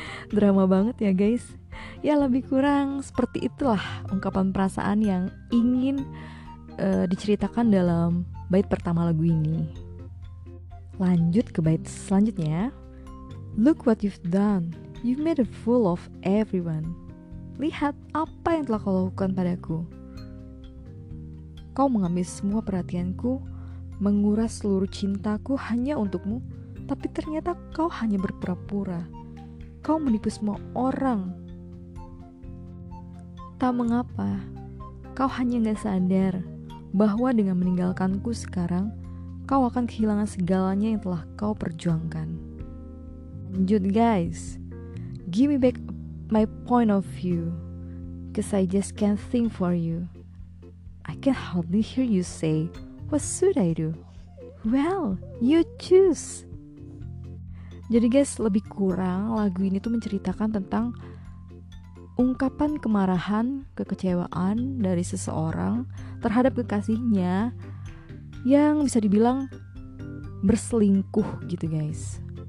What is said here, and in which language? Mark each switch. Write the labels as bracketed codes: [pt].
[id] Drama banget ya guys. Ya lebih kurang seperti itulah ungkapan perasaan yang ingin diceritakan dalam bait pertama lagu ini. Lanjut ke bait selanjutnya. [en] Look what you've done. You've made a fool of everyone. [id] Lihat apa yang telah kau lakukan padaku. Kau mengambil semua perhatianku, menguras seluruh cintaku hanya untukmu, tapi ternyata kau hanya berpura-pura. Kau menipu semua orang. Tak mengapa, kau hanya gak sadar bahwa dengan meninggalkanku sekarang, kau akan kehilangan segalanya yang telah kau perjuangkan. Lanjut [en] guys, give me back my point of view, 'cause I just can't think for you. I can hardly hear you say, what should I do? Well, you choose. [id] Jadi guys, lebih kurang lagu ini tuh menceritakan tentang ungkapan kemarahan, kekecewaan dari seseorang terhadap kekasihnya yang bisa dibilang berselingkuh gitu guys.